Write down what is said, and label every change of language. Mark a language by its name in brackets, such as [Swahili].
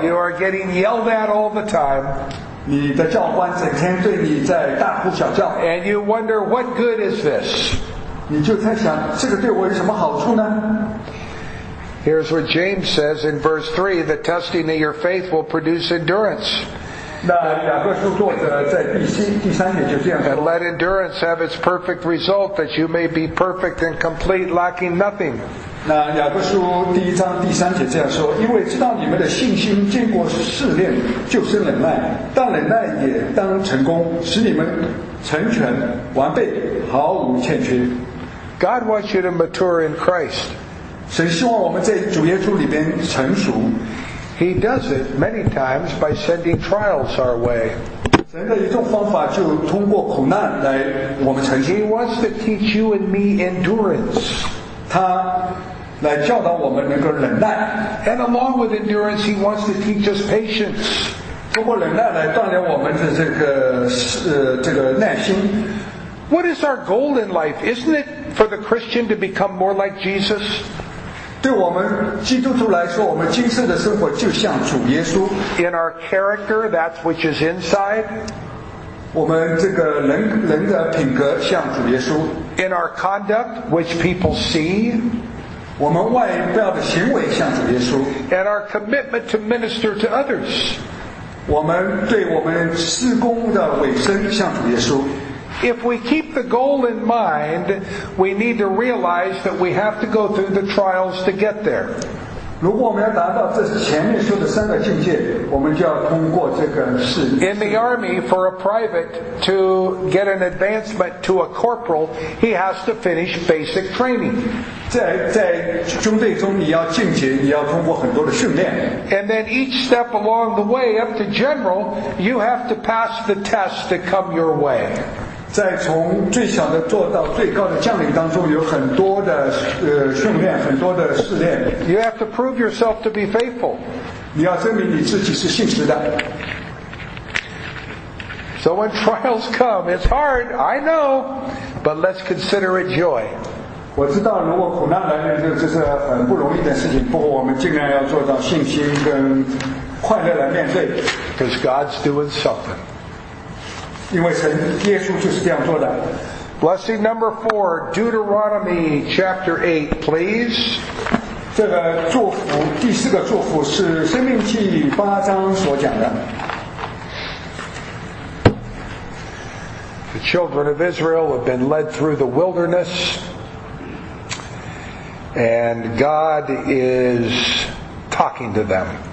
[English] You are getting yelled at all the time. [Chinese] 你的教官整天对你在大呼小叫。 [English] And you wonder what good is this? [Chinese] 你就在想这个对我有什么好处呢？ [English] Here's what James says in verse 3, the testing of your faith will produce endurance. [Chinese] 那雅各书作者在第三节就这样说。 [English] And let endurance have its perfect result that you may be perfect and complete, lacking nothing. [Chinese] 那雅各书第一章第三节这样说，因为知道你们的信心经过试炼就是忍耐，但忍耐也当成功，使你们成全完备，毫无欠缺。 [English] God wants you to mature in Christ. [Chinese] 神希望我们在主耶稣里边成熟。 [English] He does it many times by sending trials our way. [Chinese] 神的一种方法就通过苦难来我们成熟。 [English] He wants to teach you and me endurance. [Chinese] 他来教导我们能够忍耐。 [English] And along with endurance, he wants to teach us patience. [Chinese] 通过忍耐来锻炼我们的这个耐心。 [English] What is our goal in life? Isn't it for the Christian to become more like Jesus? [Chinese] 对我们基督徒来说，我们今生的生活就像主耶稣。 [English] In our character, that which is inside. [Chinese] 我们这个 人的品格像主耶稣。 [English] In our conduct, which people see. [Chinese] 我们外表的行为像主耶稣。 [English] And our commitment to minister to others. [Chinese] 我们对我们施工的委身像主耶稣。 [English] If we keep the goal in mind, we need to realize that we have to go through the trials to get there. [Chinese] 如果我们要达到这前面说的三个境界，我们就要通过这个试。 [English] In the army, for a private to get an advancement to a corporal, he has to finish basic training. [Chinese] 在军队中，你要进阶，你要通过很多的训练。 [English] And then each step along the way up to general, you have to pass the test to come your way. [Chinese] 在从最小的做到最高的将领当中，有很多的训练，很多的试炼。 [English] You have to prove yourself to be faithful. [Chinese] 你要证明你自己是信实的。 [English] So when trials come, it's hard, I know, but let's consider it joy. [Chinese] 我知道如果苦难来临，这是很不容易的事情，不过我们尽量要做到信心跟快乐来面对。 [English] Because God's doing something. [Chinese] 因为神耶稣就是这样做的。 [English] Blessing number 4, Deuteronomy chapter 8, please. [Chinese] 这个祝福，第四个祝福是《生命记》八章所讲的。 [English] The children of Israel have been led through the wilderness, and God is talking to them.